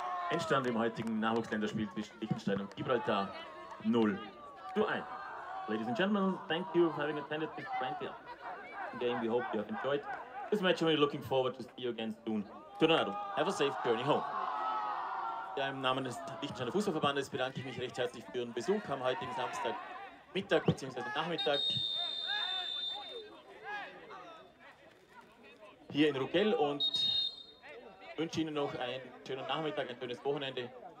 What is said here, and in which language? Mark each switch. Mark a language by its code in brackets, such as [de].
[de] Endstand im heutigen Nachwuchsländerspiel zwischen Liechtenstein und Gibraltar 0-1. [en] Ladies and gentlemen, thank you for having attended this friendly game. We hope you have enjoyed this match. We're looking forward to see you again soon. Tornado, have a safe journey home. [de] Ja, im Namen des Liechtensteiner Fußballverbandes bedanke ich mich recht herzlich für Ihren Besuch am heutigen Samstagmittag bzw. Nachmittag hier in Rukell und ich wünsche Ihnen noch einen schönen Nachmittag, ein schönes Wochenende.